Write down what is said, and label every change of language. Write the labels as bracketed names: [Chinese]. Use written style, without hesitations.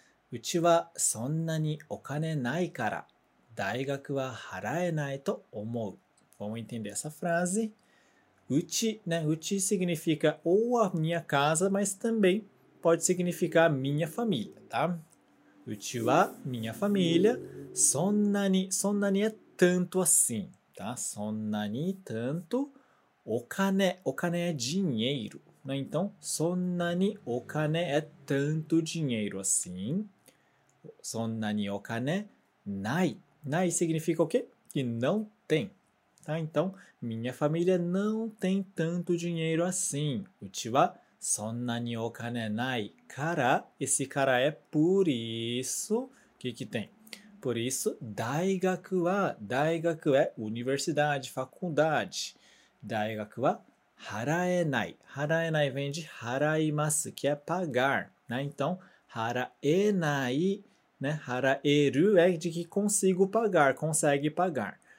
[Japanese] うちはそんなにお金ないから大学は払えないと思う。 [Portuguese] Vamos entender essa frase. [Japanese] うち、ね、うち [Portuguese] significa ou a minha casa, mas também pode significar minha família, tá? [Japanese] うちは [Portuguese] minha família. [Japanese] そんなに、そんなに [Portuguese] é tanto assim, tá? そんなに tanto. お金é dinheiro, né? Então, [Japanese] そんなにお金 [Portuguese] é tanto dinheiro assim. [Japanese] そんなにお金ない。 [Portuguese] ない significa o quê? Que não tem. Tá? Então, minha família não tem tanto dinheiro assim. [Japanese] うちはそんなにお金ないから。 [Portuguese] Esse cara é por isso. O que, que tem? Por isso, [Japanese] 大学は、大学 [Portuguese] é universidade, faculdade. [Japanese] 大学は払えない。払えない [Portuguese] vem de [Japanese] 払います, [Portuguese] que é pagar. Né? Então, [Japanese] 払えない。 [Portuguese] Né? Haraeru é de que consigo pagar, consegue pagar.